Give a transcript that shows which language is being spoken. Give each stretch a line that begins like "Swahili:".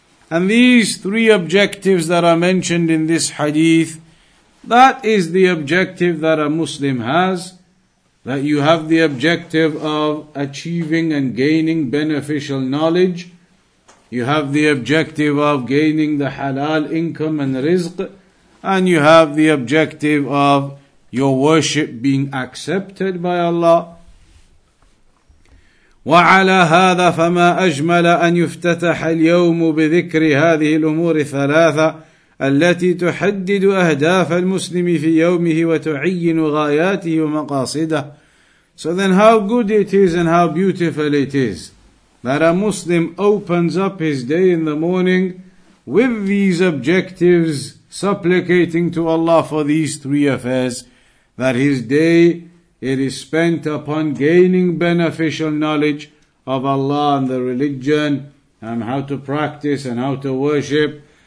English: And these three objectives that are mentioned in this hadith, that is the objective that a Muslim has, that you have the objective of achieving and gaining beneficial knowledge, you have the objective of gaining the halal income and rizq, and you have the objective of your worship being accepted by Allah.
Arabic: وعلى هذا فما أجمل أن يفتتح اليوم بذكر هذه الأمور الثلاثة التي تحدد أهداف المسلم في يومه وتعين غاياته ومقاصده.
English: So then how good it is and how beautiful it is that a Muslim opens up his day in the morning with these objectives, supplicating to Allah for these three affairs, that his day, it is spent upon gaining beneficial knowledge of Allah and the religion, and how to practice and how to worship,